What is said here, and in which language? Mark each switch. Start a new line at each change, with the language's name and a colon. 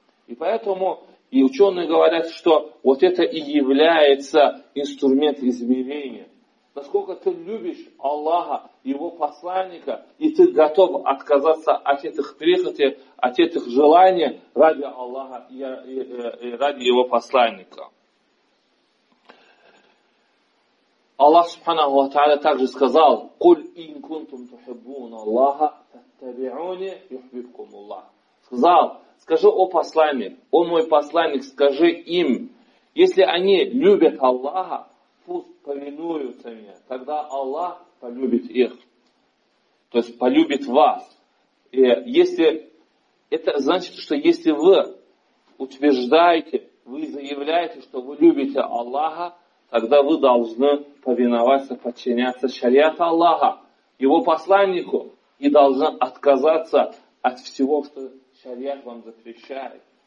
Russian: И поэтому и ученые говорят, что вот это и является инструмент измерения. Насколько ты любишь Аллаха, его посланника, и ты готов отказаться от этих прихоти, от этих желаний ради Аллаха и ради его посланника. Аллах субханаху ва тааля также сказал:
Arabic: قُلْ إِن كُنْتُمْ تُحِبُّونَ اللَّهَ فَاتَّبِعُونِ يُحْبِبْكُمُ اللَّهِ.
Russian: Сказал: скажи, о посланник, о мой посланник, скажи им, если они любят Аллаха, пусть повинуются мне, тогда Аллах полюбит их, то есть полюбит вас. И если это значит, что если вы утверждаете, вы заявляете, что вы любите Аллаха, тогда вы должны повиноваться, подчиняться шариату Аллаха, его посланнику, и должны отказаться от всего, что шариат вам запрещает.